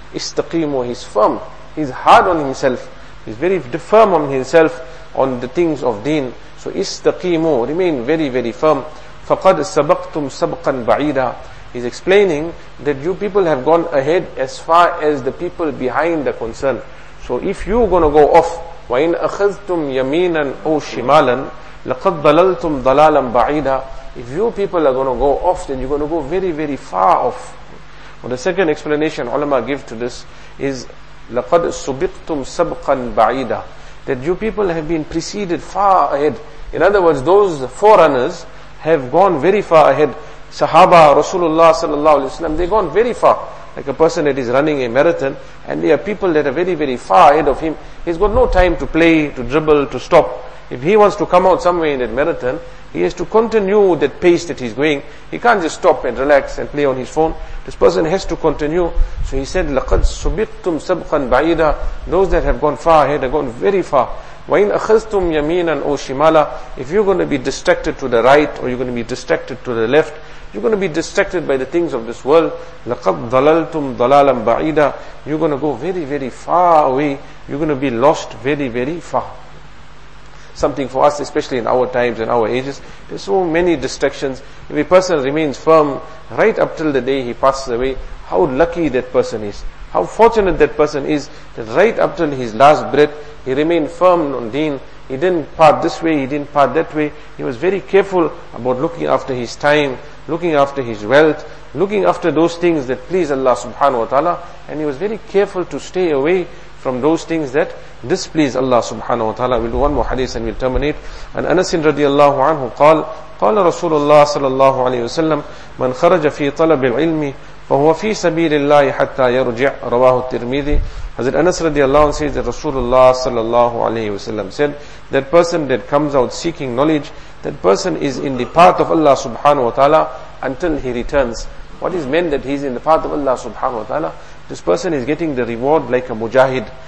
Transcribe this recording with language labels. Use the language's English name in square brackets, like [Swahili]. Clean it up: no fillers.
[English] Istaqimu, he's firm. He's hard on himself. He's very firm on himself, on the things of deen. So istaqimu, remain very, very firm. [Arabic] فَقَدْ سَبَقْتُمْ سَبْقًا بَعِيدًا. [English] He's explaining that you people have gone ahead as far as the people behind the concern. So if you're going to go off, [Arabic] وَإِنْ أَخَذْتُمْ يَمِينًا أَوْ شِمَالًا لَقَدْ ضَلَلْتُمْ ضَلَالًا بَعِيدًا. [English] If you people are going to go off, then you're going to go very, very far off. Well, the second explanation ulama give to this is [Arabic] لَقَدْ سُبِقْتُمْ سَبْقًا بَعِيدًا, [English] that you people have been preceded far ahead. In other words, those forerunners have gone very far ahead. Sahaba, Rasulullah sallallahu alayhi wa sallam, they've gone very far. Like a person that is running a marathon, and there are people that are very, very far ahead of him. He's got no time to play, to dribble, to stop. If he wants to come out somewhere in that marathon, he has to continue that pace that he's going. He can't just stop and relax and play on his phone. This person has to continue. [Arabic] So he said, لَقَدْ سُبِقْتُمْ سَبْقًا بَعِيدًا. [English] Those that have gone far ahead have gone very far. [Arabic] وَإِنْ أَخَذْتُمْ يَمِينًا أَوْ شِمَالًا. [English] If you're going to be distracted to the right, or you're going to be distracted to the left, you're going to be distracted by the things of this world. [Arabic] لَقَدْ ضَلَلْتُمْ ضَلَالًا بَعِيدًا. [English] You're going to go very, very far away. You're going to be lost very, very far. Something for us, especially in our times and our ages, there's so many distractions. If a person remains firm right up till the day he passes away, how lucky that person is. How fortunate that person is that right up till his last breath, he remained firm on deen. He didn't part this way, he didn't part that way. He was very careful about looking after his time, looking after his wealth, looking after those things that please Allah subhanahu wa ta'ala. And he was very careful to stay away from those things that displease Allah subhanahu wa ta'ala. We'll do one more hadith and we'll terminate. [Arabic] And Anas radiallahu anhu qala Rasulullah sallallahu alayhi wa sallam, man kharaja fi talab al-ilmi وهو في سبيل الله حتى يرجع رواه الترمذي. [English] حضرت انس رضي الله عنه says that Rasulullah sallallahu alayhi wa sallam said that person that comes out seeking knowledge, that person is in the path of Allah subhanahu wa ta'ala until he returns. What is meant that he is in the path of Allah subhanahu wa ta'ala? This person is getting the reward like a mujahid.